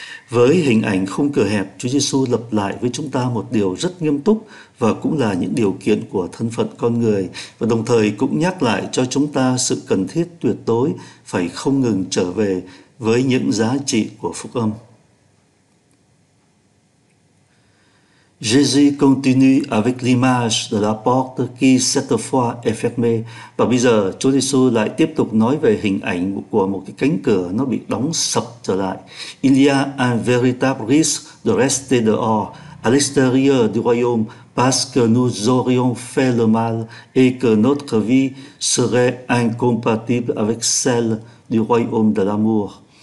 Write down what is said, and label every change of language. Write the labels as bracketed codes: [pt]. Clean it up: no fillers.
[vi] Với hình ảnh khung cửa hẹp, Chúa Giêsu lặp lại với chúng ta một điều rất nghiêm túc và cũng là những điều kiện của thân phận con người, và đồng thời cũng nhắc lại cho chúng ta sự cần thiết tuyệt đối phải không ngừng trở về với những giá trị của phúc âm. [fr] Jésus continue avec l'image de la porte qui cette fois est fermée. [vi] Và bây giờ Chúa Giêsu lại tiếp tục nói về hình ảnh của một cái cánh cửa nó bị đóng sập trở lại. [fr] Il y a un véritable risque de rester dehors, à l'extérieur du royaume, parce que nous aurions fait le mal et que notre vie serait incompatible avec celle du royaume de l'amour.